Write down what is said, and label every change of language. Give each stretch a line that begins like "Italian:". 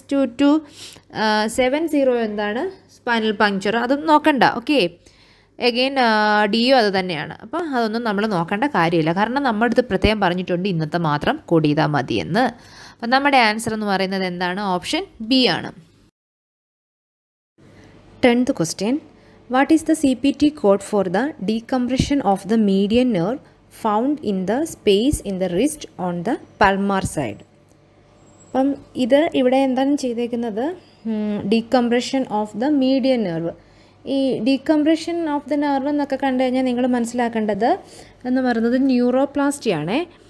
Malayalam: 6-2-2, 7-0 എന്താണ്? Spinal puncture. അതും നോക്കണ്ട. ഓക്കെ, എഗെയിൻ ഡിയു അത് തന്നെയാണ്. അപ്പം അതൊന്നും നമ്മൾ നോക്കേണ്ട കാര്യമില്ല. കാരണം നമ്മുടെ അടുത്ത് പ്രത്യേകം പറഞ്ഞിട്ടുണ്ട് ഇന്നത്തെ മാത്രം കൂടി ചെയ്താൽ മതിയെന്ന്. അപ്പം നമ്മുടെ ആൻസർ എന്ന് പറയുന്നത് എന്താണ്? ഓപ്ഷൻ ബി ആണ്.
English: 10th question. What is the CPT code for the decompression of the median nerve found in the space in the wrist on the palmar side?
Malayalam: അപ്പം ഇത് ഇവിടെ എന്താണ് ചെയ്തേക്കുന്നത്?
English: Decompression of the median nerve.
Malayalam: ഈ
English: decompression of the nerve
Malayalam: എന്നൊക്കെ കണ്ടു കഴിഞ്ഞാൽ നിങ്ങൾ മനസ്സിലാക്കേണ്ടത് എന്ന് പറയുന്നത് ന്യൂറോപ്ലാസ്റ്റിയാണേ.